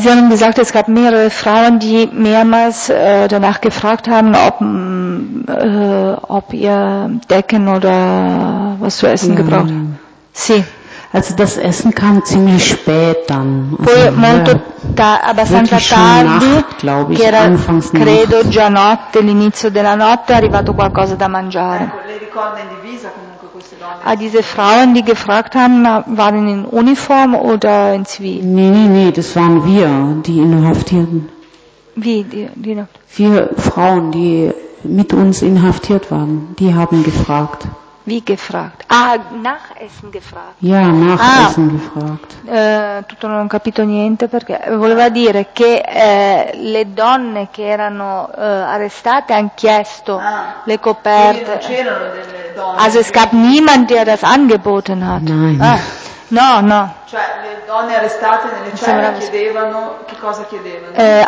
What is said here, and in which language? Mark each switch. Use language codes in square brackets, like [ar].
[de] Sie haben gesagt, es gab mehrere Frauen, die mehrmals danach gefragt haben, ob ihr Decken oder was zu essen gebraucht. [it] Sì. [de] Also das Essen kam ziemlich spät dann. [it] Poi molto abbastanza tardi, [de] glaube ich, [it] che era, credo, già notte, l'inizio della notte, è arrivato qualcosa da mangiare. Ecco, lei ricorda in divisa comunque queste donne? [de] A diese Frauen, die gefragt haben, waren in Uniform oder in Zivil? Nee, das waren wir, die inhaftierten. Wie, die noch? Vier Frauen, die mit uns inhaftiert waren, die haben gefragt. Wie gefragt? Ah, nach Essen gefragt. Ja, nach Essen gefragt. [it] Tutto non ho capito niente perché voleva dire che le donne che erano arrestate hanno chiesto le coperte. Quindi non c'erano delle donne. [de] Also es gab niemand, der das angeboten hat. Nein. [it] No. Cioè le donne arrestate nelle celle chiedevano, che cosa chiedevano?